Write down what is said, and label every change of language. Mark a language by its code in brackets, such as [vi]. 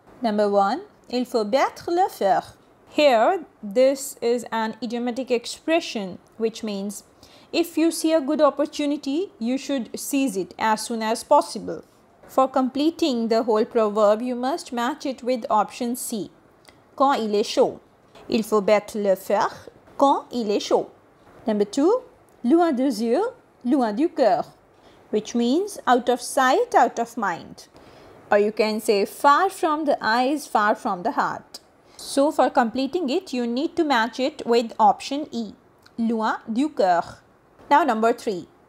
[en] Number 1, [fr] il faut battre le fer. [en] Here, this is an idiomatic expression which means if you see a good opportunity, you should seize it as soon as possible. For completing the whole proverb, you must match it with option C. [fr] Quand il est chaud. Il faut battre le fer quand il est chaud. [en] Number 2, [fr] loin des yeux, loin du cœur. [en] Which means out of sight, out of mind. Or you can say far from the eyes, far from the heart. So for completing it, you need to match it with option E. [fr] Loin du cœur. [en] Now number 3,